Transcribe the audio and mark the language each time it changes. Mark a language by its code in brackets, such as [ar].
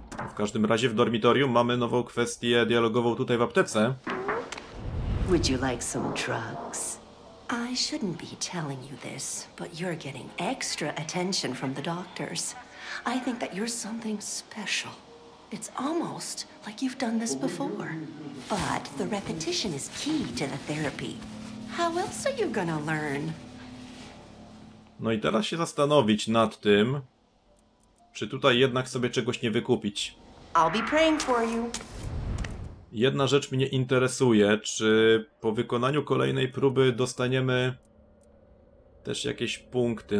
[pl] W każdym razie w dormitorium mamy nową kwestię dialogową tutaj w aptece. [en] Would you like some drugs? I shouldn't be telling you this, but you're getting extra attention from the doctors. I think that you're something special. It's almost like you've done this before. But the repetition is key to the therapy. How else are you gonna learn? [pl] No i teraz się zastanowić nad tym, czy tutaj jednak sobie czegoś nie wykupić. [en] I'll be praying for you. [pl] Jedna rzecz mnie interesuje, czy po wykonaniu kolejnej próby dostaniemy też jakieś punkty.